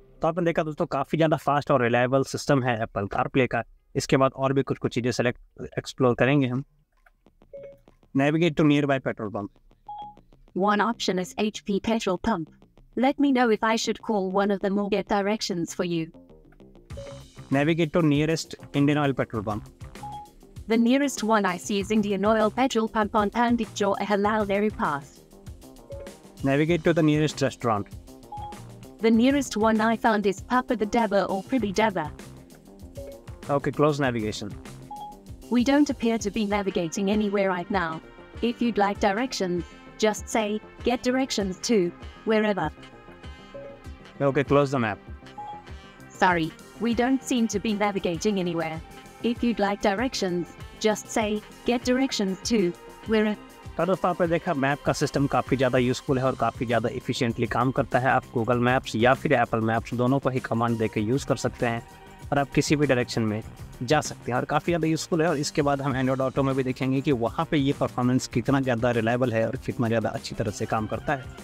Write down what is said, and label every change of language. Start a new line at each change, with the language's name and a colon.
Hindi: तो आपने देखा दोस्तों, काफी ज्यादा फास्ट और रिलायबल सिस्टम है एप्पल कारप्ले का। इसके बाद और भी कुछ कुछ चीजें सेलेक्ट एक्सप्लोर करेंगे हम।
English: Navigate to nearby petrol pump. One option is HP petrol pump. Let me know if I should call one of them or get directions for you. Navigate to nearest Indian Oil petrol pump. The nearest one I see is Indian Oil petrol pump on Pandit Jawaharlal Halalderi Path. Navigate to the nearest restaurant. The nearest one I found is Papa the Deva or Pribi Deva. Okay, close navigation. We don't appear to be navigating anywhere right now. If you'd like directions, just say, get directions to, wherever. Okay, close the map. Sorry. We don't seem to be navigating anywhere. If you'd like directions, just say, get directions to, where a...
Hindi: तो आपने देखा, map का system काफ़ी ज़्यादा useful है और काफ़ी ज़्यादा इफिशियंटली काम करता है। आप गूगल मैप्स या फिर एप्पल मैप्स दोनों को ही कमांड देके यूज़ कर सकते हैं और आप किसी भी डायरेक्शन में जा सकते हैं और काफ़ी ज़्यादा यूज़फुल है। और इसके बाद हम एंड्रॉयड ऑटो में भी देखेंगे कि वहाँ पे ये परफॉर्मेंस कितना ज़्यादा रिलायबल है और कितना ज़्यादा अच्छी तरह से काम करता है।